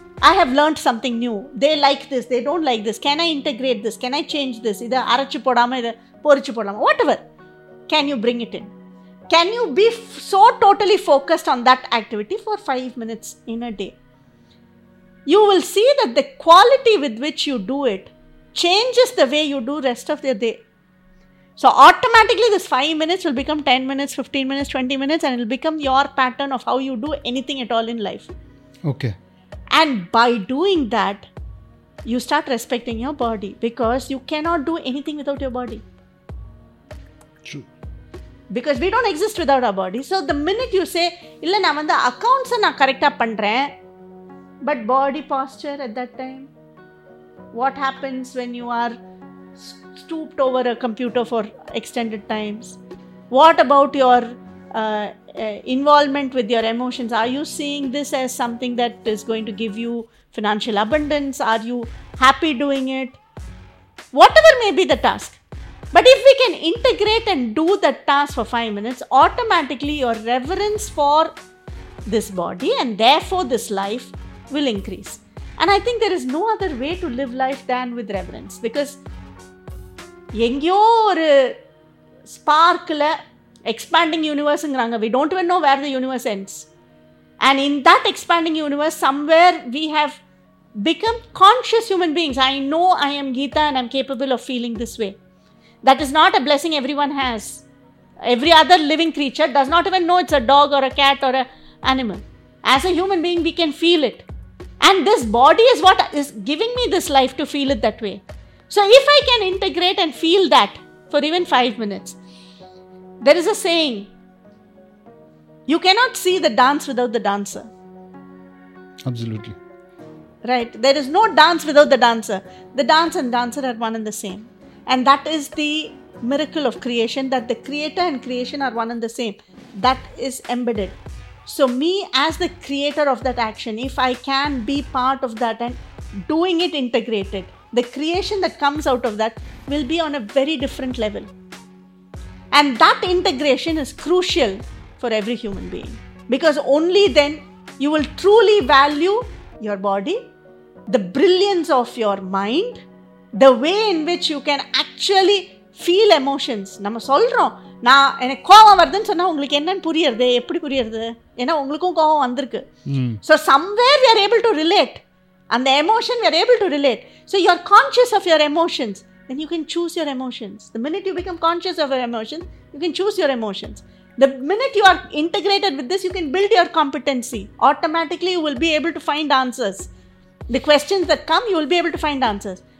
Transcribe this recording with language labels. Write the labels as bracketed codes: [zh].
[en] I have learned something new, they like this they don't like this, can I integrate this, can I change this, [ta] இதை அரைச்சி போடாமல் இதை பொறிச்சு போடாமல், [en] Whatever can you bring it in, can you be so totally focused on that activity for 5 minutes in a day. You will see that the quality with which you do it changes the way you do rest of their day. So automatically this 5 minutes will become 10 minutes, 15 minutes, 20 minutes and it will become your pattern of how you do anything at all in life. Okay. And by doing that, you start respecting your body because you cannot do anything without your body. True. Because we don't exist without our body. So the minute you say, [ta] illa na vanda accounts na correct ah pandren, [en] but body posture at that time, what happens when you are stooped over a computer for extended times, what about your involvement with your emotions, are you seeing this as something that is going to give you financial abundance, are you happy doing it, whatever may be the task, but if we can integrate and do that task for 5 minutes, automatically your reverence for this body and therefore this life will increase. And I think there is no other way to live life than with reverence, because [ta] எங்கேயோ ஒரு sparkle [en] Expanding யூனிவர்ஸுங்கிறாங்க, we don't even know where the universe ends, and in that expanding universe somewhere we have become conscious human beings. I know I am Geeta and I'm capable of feeling this way, that is not a blessing everyone has. Every other living creature does not even know it's a dog or a cat or a animal, as a human being we can feel it, and this body is what is giving me this life to feel it that way. So if I can integrate and feel that for even 5 minutes, there is a saying, you cannot see the dance without the dancer. Absolutely. Right. There is no dance without the dancer. The dance and dancer are one and the same. And that is the miracle of creation, that the creator and creation are one and the same. That is embedded. So me as the creator of that action, if I can be part of that and doing it integrated, the creation that comes out of that will be on a very different level. And that integration is crucial for every human being. Because only then you will truly value your body, the brilliance of your mind, the way in which you can actually feel emotions. [ta] நம்ம சொல்கிறோம் நான் எனக்கு கோபம் வருதுன்னு சொன்னால் உங்களுக்கு என்னன்னு புரியறது, எப்படி புரியறது, ஏன்னா உங்களுக்கும் கோபம் வந்திருக்கு. [en] So somewhere you are able to relate and the emotion we are able to relate. So you are conscious of your emotions, then you can choose your emotions. The minute you become conscious of your emotions, you can choose your emotions. The minute you are integrated with this, you can build your competency. Automatically you will be able to find answers. The questions that come, you will be able to find answers.